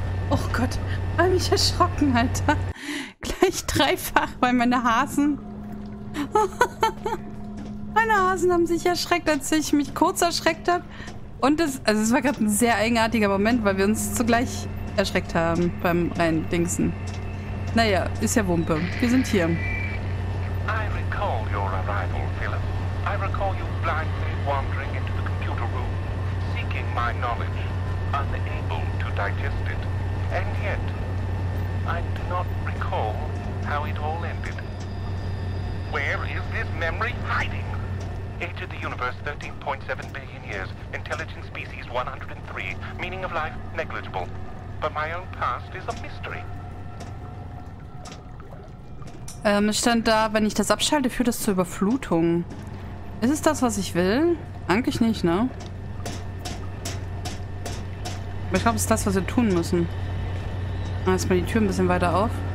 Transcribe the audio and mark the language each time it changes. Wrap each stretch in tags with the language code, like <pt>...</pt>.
<de>Oh Gott, war mich erschrocken, Alter. Gleich dreifach, weil meine Hasen haben sich erschreckt, als ich mich kurz erschreckt habe. Und es war gerade ein sehr eigenartiger Moment, weil wir uns zugleich erschreckt haben beim Reindingsen. Naja, ist ja Wumpe. Wir sind hier.</de> <en>I recall your arrival, Philip. I recall you blindly wandering into the computer room, seeking my knowledge, unable to digest it. And yet, I do not recall how it all ended. Where is this memory hiding? Age of the universe, 13.7 billion years. Intelligent species, 103. Meaning of life, negligible. But my own past is a mystery.</en> <de>Es stand da, wenn ich das abschalte, führt das zur Überflutung. Ist es das, was ich will? Eigentlich nicht, ne? Aber ich glaube, es ist das, was wir tun müssen. Mach erstmal die Tür ein bisschen weiter auf.</de>